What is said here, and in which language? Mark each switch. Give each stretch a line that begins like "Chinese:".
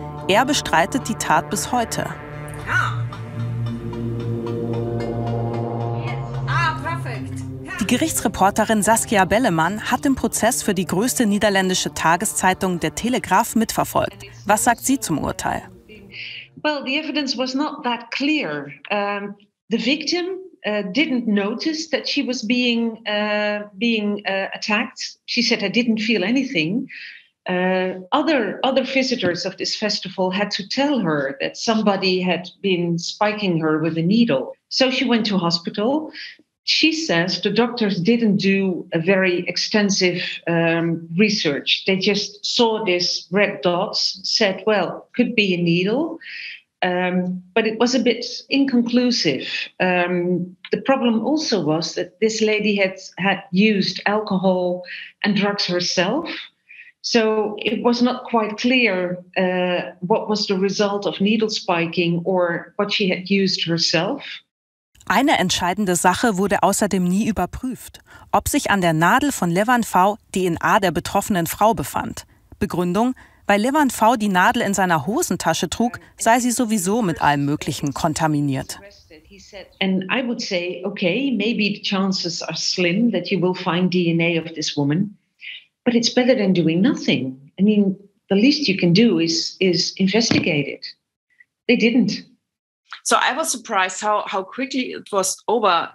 German: Er bestreitet die Tat bis heute. Ja. Die Gerichtsreporterin Saskia Bellemann hat den Prozess für die größte niederländische Tageszeitung Der Telegraaf mitverfolgt. Was sagt sie zum Urteil?
English: Well, the evidence was not that clear. The victim didn't notice that she was being attacked. She said, "I didn't feel anything." Other visitors of this festival had to tell her that somebody had been spiking her with a needle. So she went to hospital. She says the doctors didn't do a very extensive research. They just saw this red dots, said, well, could be a needle. But it was a bit inconclusive. The problem also was that this lady had used alcohol and drugs herself. So it was not quite clear what was the result of needle spiking or what she had used herself.
German: Eine entscheidende Sache wurde außerdem nie überprüft, ob sich an der Nadel von Levan V. die DNA der betroffenen Frau befand. Begründung, weil Levan V. die Nadel in seiner Hosentasche trug, sei sie sowieso mit allem Möglichen kontaminiert.
English: And I would say, okay, maybe the chances are slim that you will find DNA of this woman. But it's better than doing nothing. I mean, the least you can do is investigate it. They didn't. So I was surprised how quickly it was over,